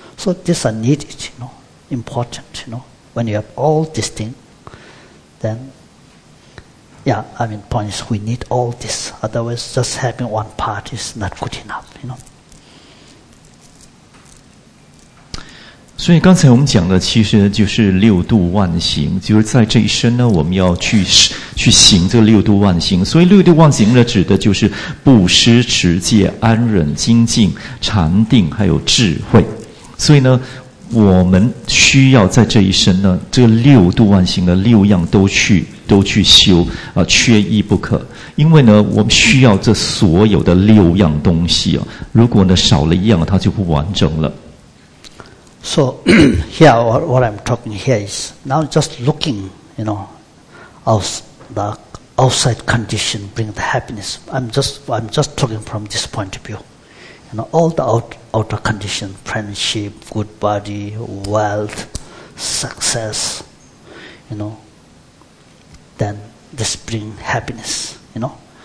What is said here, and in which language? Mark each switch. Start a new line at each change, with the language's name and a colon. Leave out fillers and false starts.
English: So these are needed, you know, important, you know. When you have all these things, then, yeah, I mean, point is we need all this. Otherwise, just having one part is not good enough, you know.
Chinese: 所以刚才我们讲的其实就是六度万行，就是在这一生呢，我们要去行这六度万行。所以六度万行呢，指的就是布施、持戒、安忍、精进、禅定，还有智慧。所以呢，我们需要在这一生呢，这六度万行的六样都去修啊，缺一不可。因为呢，我们需要这所有的六样东西啊，如果呢少了一样，它就不完整了。
English: So here, what I'm talking here is now just looking, you know, the outside condition bring the happiness. I'm just talking from this point of view. You know, all the outer conditions, friendship, good body, wealth, success, you know, then this brings happiness, you know.